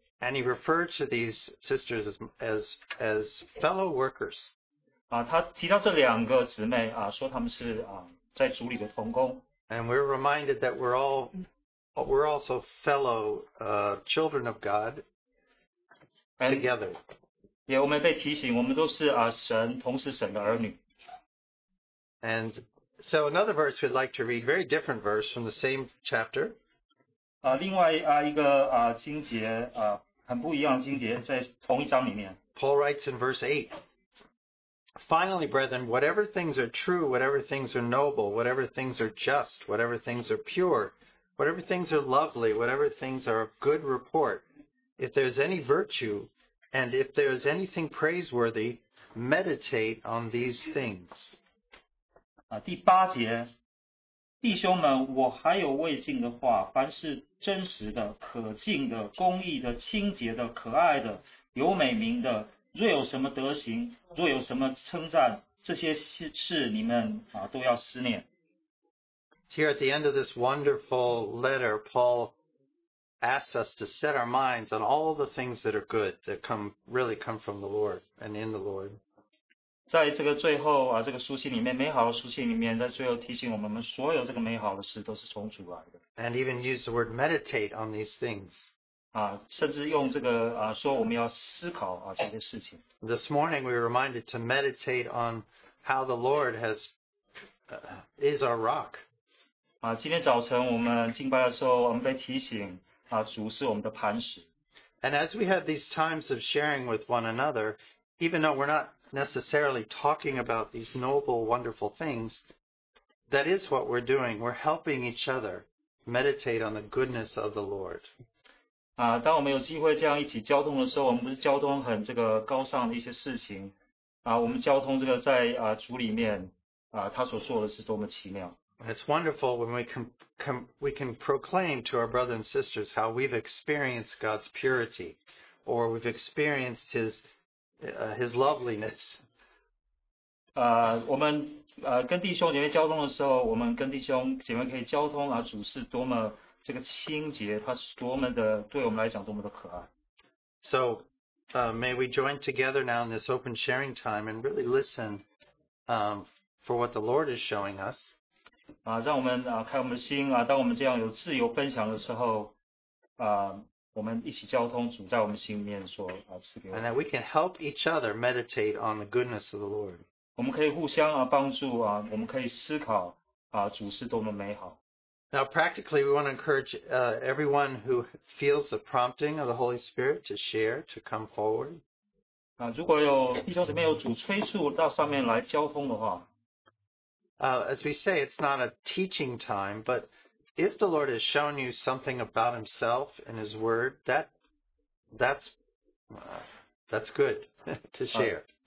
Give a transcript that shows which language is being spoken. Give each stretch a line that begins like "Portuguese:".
English: And he referred to these sisters as fellow workers.
Chinese: 他提到这两个姊妹说他们是在主里的同工。
English: And we're reminded that we're also fellow children of God together.
Chinese: 也我们被提醒，我们都是神，同时神的儿女。
English: And so another verse we'd like to read, very different verse from the same chapter.
Chinese: 另外一个经节很不一样的经节，在同一章里面。
English: Paul writes in verse 8. Finally, brethren, whatever things are true, whatever things are noble, whatever things are just, whatever things are pure, whatever things are lovely, whatever things are of good report, if there is any virtue, and if there is anything praiseworthy, meditate on these things.
Chinese: 第八节，弟兄们，我还有未尽的话，凡是真实的、可敬的、公义的、清洁的、可爱的、有美名的，若有什么德行，若有什么称赞，这些事你们都要思念。
English: Here at the end of this wonderful letter, Paul asks us to set our minds on all the things that are good that really come from the Lord and in the Lord.
Chinese: 在这个最后这个书信里面，美好的书信里面，在最后提醒我们，所有这个美好的事都是从主来的。
English: And even use the word meditate on these things.
Chinese: 甚至用这个说我们要思考这些事情。
English: This morning we were reminded to meditate on how the Lord is our rock.
Chinese: 今天早晨我们敬拜的时候，我们被提醒主是我们的磐石。
English: And as we have these times of sharing with one another, even though we're not necessarily talking about these noble, wonderful things, that is what we're doing. We're helping each other meditate on the goodness of the Lord.
Chinese: 当我们有机会这样一起交通的时候，我们不是交通很这个高尚的一些事情，我们交通这个在主里面，他所做的是多么奇妙。
English: It's wonderful when we can proclaim to our brothers and sisters how we've experienced God's purity, or we've experienced His loveliness.
Chinese: 我们跟弟兄姐妹交通的时候，我们跟弟兄姐妹可以交通主是多么这个清洁，他是多么的对我们来讲多么的可爱。
English: So May we join together now in this open sharing time and really listen for what the Lord is showing us.
Chinese: 让我们开我们的心，当我们这样有自由分享的时候，我们一起交通主在我们心里面所赐给我们。
English: And that we can help each other meditate on the goodness of the Lord.
Chinese: 我们可以互相帮助，我们可以思考主是多么美好。
English: Now, practically, we want to encourage everyone who feels the prompting of the Holy Spirit to share, to come forward.
Chinese: 如果有弟兄姊妹有主催促到上面来交通的话,
English: as we say, it's not a teaching time, but if the Lord has shown you something about Himself and His Word, that's good to share.